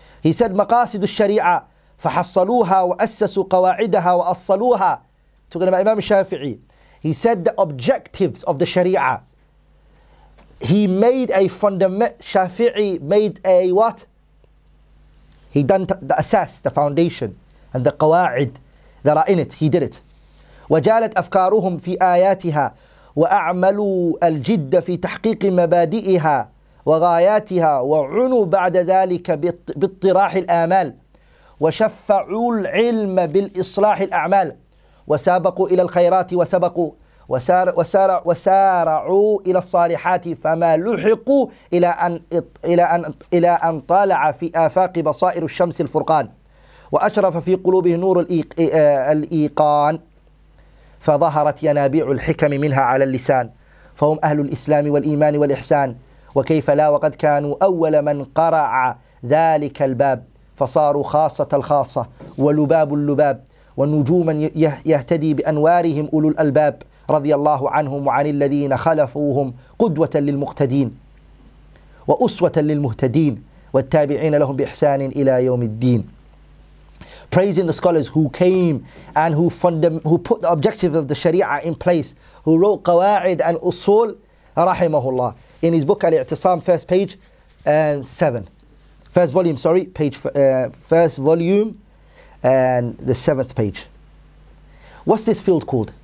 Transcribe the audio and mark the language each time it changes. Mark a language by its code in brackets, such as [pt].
[en] He said, [ar] مَقَاسِدُ الشَّرِيعَةِ فَحَصَّلُوهَا وَأَسَّسُوا قَوَاعِدَهَا وَأَصَّلُوهَا. [en] Talking about Imam Shafi'i. He said the objectives of the Sharia. He made a fundamental, Shafi'i made a what? He done the asas, the foundation, and the qawa'id that are in it. He did it. [ar] وَجَالَتْ أَفْكَارُهُمْ فِي آيَاتِهَا وَأَعْمَلُوا الْجِدَّ فِي تَحْقِيقِ مَبَادِئِهَا وغاياتها وعنوا بعد ذلك باطراح الآمال وشفعوا العلم بالإصلاح الأعمال وسابقوا إلى الخيرات وسبقوا وسارعوا إلى الصالحات فما لحقوا إلى أن طالع في آفاق بصائر الشمس الفرقان وأشرف في قلوبه نور الإيقان فظهرت ينابيع الحكم منها على اللسان فهم أهل الإسلام والإيمان والإحسان وكيف لا وقد كانوا أول من قرع ذلك الباب فصاروا خاصة الخاصة ولباب اللباب ونجوما يهتدي بأنوارهم أولو الألباب رضي الله عنهم وعن الذين خلفوهم قدوة للمقتدين وأسوة للمهتدين والتابعين لهم بإحسان إلى يوم الدين. [en] Praising the scholars who came and who put the objective of the Sharia in place, who wrote قواعد and أصول, رحمه الله. In his book Al-I'tisam, first page 7. First volume, sorry, first volume and the 7th page. What's this field called?